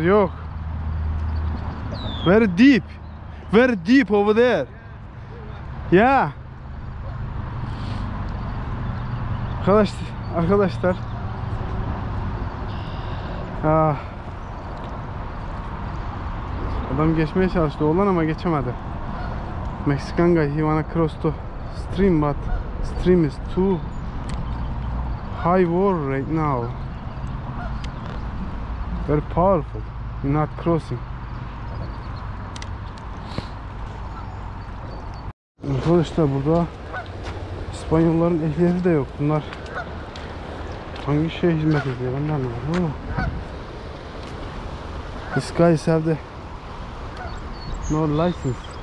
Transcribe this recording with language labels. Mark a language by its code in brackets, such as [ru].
[tr] Yok. [en] Very deep. Very deep over there. Yeah. [tr] Arkadaşlar. Adam geçmeye çalıştı oğlan ama geçemedi. [en] Mexican guy, he wanna cross the stream but stream is too high water right now. Very powerful. Not crossing. [tr] Arkadaşlar, burada İspanyolların ehliyeti de yok. Bunlar hangi şeye hizmet ediyor? Ben de anlamadım. [en] This guy is have the no license.